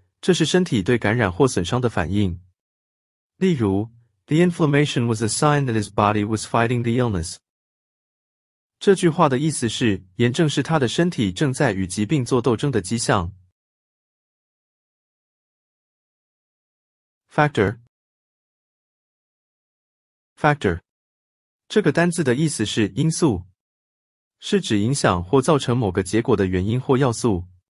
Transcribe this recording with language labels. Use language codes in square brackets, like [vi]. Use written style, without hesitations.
[zh] 这是身体对感染或损伤的反应。 [en] 例如 ,The inflammation was a sign that his body was fighting the illness. [zh] 这句话的意思是炎症是他的身体正在与疾病做斗争的迹象。 Factor Factor 这个单字的意思是因素，是指影响或造成某个结果的原因或要素。